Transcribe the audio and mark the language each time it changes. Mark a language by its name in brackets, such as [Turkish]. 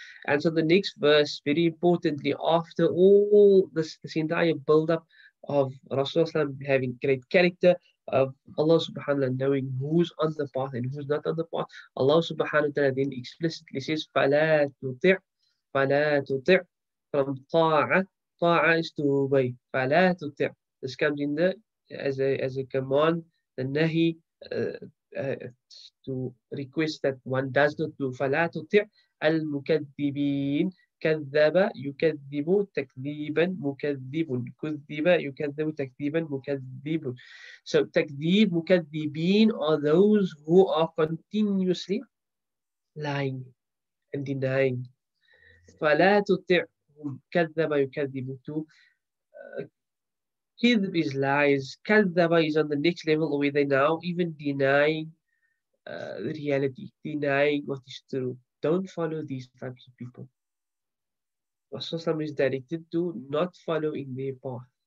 [English] And so the next verse, very importantly, after all this entire build-up of Rasulullah having great character, of Allah subhanahu wa ta'ala knowing who's on the path and who's not on the path, Allah subhanahu wa ta'ala then explicitly says, فَلَا تُطِعْ from ta'a. Ta'a is to obey. فَلَا تُطِعْ. This comes in as a command, the nahi, to request that one does not do. [Arabic] فَلَا تُطِعْ المكذبين. كذب يكذب تكذيبا مكذب كذب يكذب تكذيبا مكذب. [English] So تكذيب مكذبين are those who are continuously lying and denying. [Arabic] فلا تطعهم كذب يكذب to كذب is lies. [English] كذب is on the next level where they now even denying reality, denying what is true. Don't follow these types of people. Rasulullah is directed to not follow in their path.